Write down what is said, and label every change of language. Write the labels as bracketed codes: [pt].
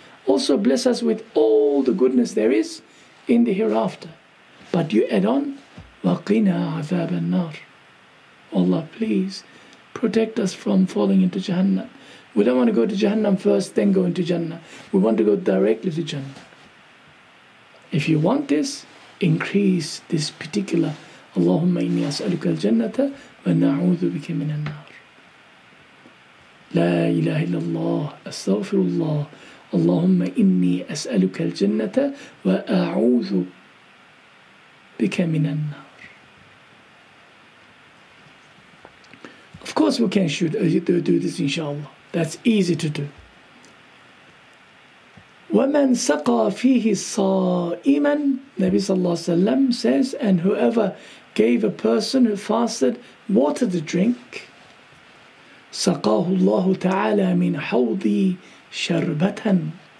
[en] Also bless us with all the goodness there is in the hereafter. But you add on, [ar] وَقِنَا عَذَابَ النَّارِ. [en] Allah, please protect us from falling into Jahannam. We don't want to go to Jahannam first, then go into Jannah. We want to go directly to Jannah. If you want this, increase this particular, [ar] اللَّهُمَّ إِنِّي أَسْأَلُكَ الْجَنَّةَ وَنَعُوذُ بِكَ مِنَ النَّارِ. لا إله إلا الله أستغفر الله اللهم إني أسألك الجنة وأعوذ بك من النار. [en] Of course we can shoot, do this inshallah. That's easy to do. [ar] ومن سقى فيه صائما. [en] Nabi sallallahu alayhi wa sallam says, and whoever gave a person who fasted water to drink, [ar] سَقَاهُ اللَّهُ تَعَالَى مِنْ حَوْضِي شَرْبَةً.